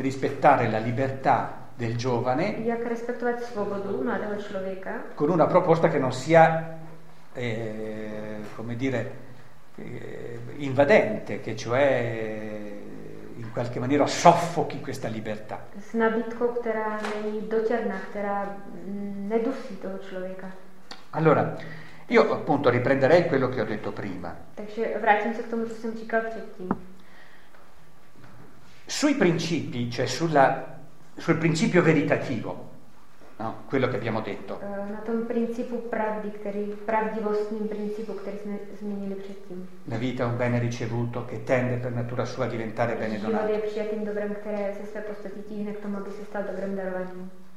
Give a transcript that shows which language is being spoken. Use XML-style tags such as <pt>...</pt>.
<it>rispettare la libertà del giovane?</it> <cs>Jak respektovat svobodu mladého člověka?</cs> <it>Con una proposta che non sia invadente, che cioè in qualche maniera soffochi questa libertà.</it> <cs>S nabídkou, která není dotěrná, která nedusí toho člověka.</cs> <it>Allora, io appunto riprenderei quello che ho detto prima.</it> <cs>Takže vrátím se k tomu, co jsem říkal předtím.</cs> <it>Sui principi, cioè sul principio veritativo, no? Quello che abbiamo detto.</it> <cs>Na tom principu pravdy, který pravdivostním principu, který jsme zmínili předtím.</cs> <it>La vita è un bene ricevuto che tende per natura sua a diventare bene donato.</it> <cs>Život je přijatým dobrem, které se své podstatě tíhne k tomu, aby se stal dobrem darovaním.</cs>